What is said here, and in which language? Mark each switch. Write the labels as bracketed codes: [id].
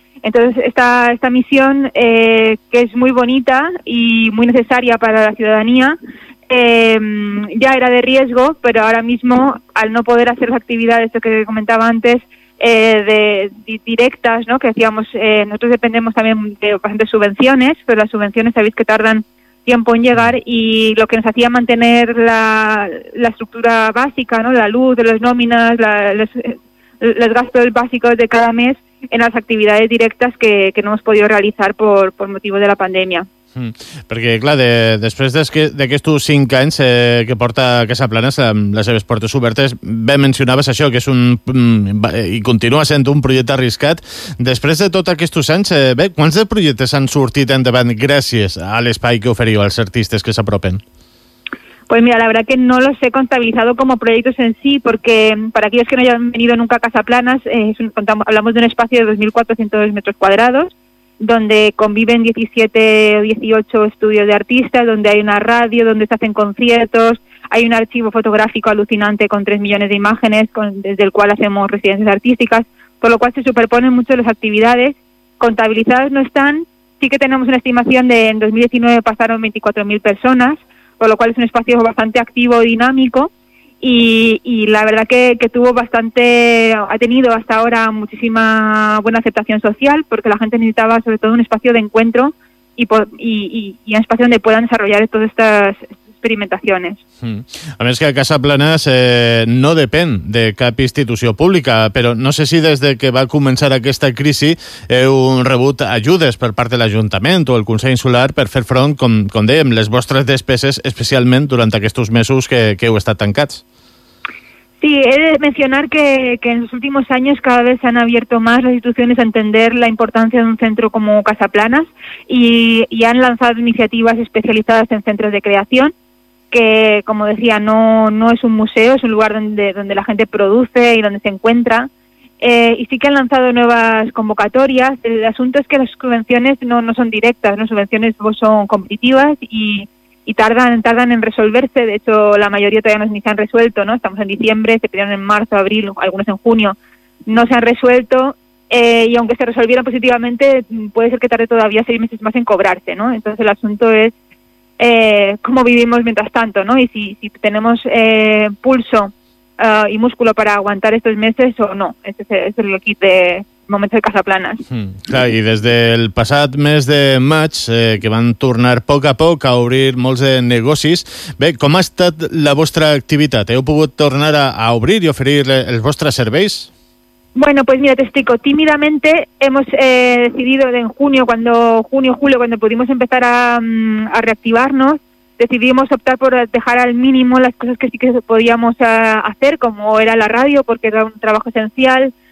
[es] Entonces, esta misión, que es muy bonita y muy necesaria para la ciudadanía, ya era de riesgo, pero ahora mismo, al no poder hacer las actividades que comentaba antes, de directas, ¿no?, que hacíamos, nosotros dependemos también de bastantes subvenciones, pero las subvenciones sabéis que tardan tiempo en llegar, y lo que nos hacía mantener la estructura básica, ¿no?, la luz, las nóminas, los gastos básicos de cada mes en las actividades directas que no hemos podido realizar por motivo de la pandemia. [ca] Perquè, clar, després d'aquests 5 anys que porta Casaplanes les seves portes obertes, bé, mencionaves això, que és un... i continua sent un projecte arriscat. Després de tots aquests anys, bé, quants de projectes han sortit endavant gràcies a l'espai que oferiu als artistes que s'apropen? [es] Pues mira, la verdad que no los he contabilizado como proyectos en sí, porque para aquellos que no hayan venido nunca a Casaplanes, hablamos de un espacio de 2.400 metros cuadrados, donde conviven 17 o 18 estudios de artistas, donde hay una radio, donde se hacen conciertos, hay un archivo fotográfico alucinante con 3 millones de imágenes, desde el cual hacemos residencias artísticas, por lo cual se superponen mucho las actividades. Contabilizadas no están, sí que tenemos una estimación de en 2019 pasaron 24.000 personas, por lo cual es un espacio bastante activo y dinámico, y la verdad que tuvo bastante, ha tenido hasta ahora muchísima buena aceptación social, porque la gente necesitaba sobre todo un espacio de encuentro y un espacio donde puedan desarrollar todas estas experimentaciones. [ca] A més que a Casaplanes no depèn de cap institució pública, però no sé si des de que va començar aquesta crisi heu rebut ajudes per part de l'Ajuntament o el Consell Insular per fer front, com dèiem, les vostres despeses, especialment durant aquests mesos que heu estat tancats. Sí, he de mencionar que en els últims anys cada vegada s'han abierto més les institucions a entender la importància d'un centre com Casaplanes i han lançat iniciatives especialitzades en centres de creació, que, [es] como decía, no es un museo, es un lugar donde la gente produce y donde se encuentra. Y sí que han lanzado nuevas convocatorias. El asunto es que las subvenciones no son directas, ¿no? Subvenciones son competitivas y tardan en resolverse. De hecho, la mayoría todavía no se han resuelto, ¿no? Estamos en diciembre, se pidieron en marzo, abril, algunos en junio. No se han resuelto y aunque se resolvieran positivamente, puede ser que tarde todavía 6 meses más en cobrarse, ¿no? Entonces el asunto es cómo vivimos mientras tanto, ¿no? Y si tenemos pulso y músculo para aguantar estos meses o no. Ese es el kit de momentos de Casaplanes. [ca] Clar, i des del passat mes de maig, que van tornar a poc a obrir molts de negocis, bé, com ha estat la vostra activitat? Heu pogut tornar a obrir i oferir els vostres serveis? [es] Bueno, pues mira, te explico. Tímidamente hemos decidido en julio, cuando pudimos empezar a reactivarnos, decidimos optar por dejar al mínimo las cosas que sí que podíamos hacer, como era la radio, porque era un trabajo esencial,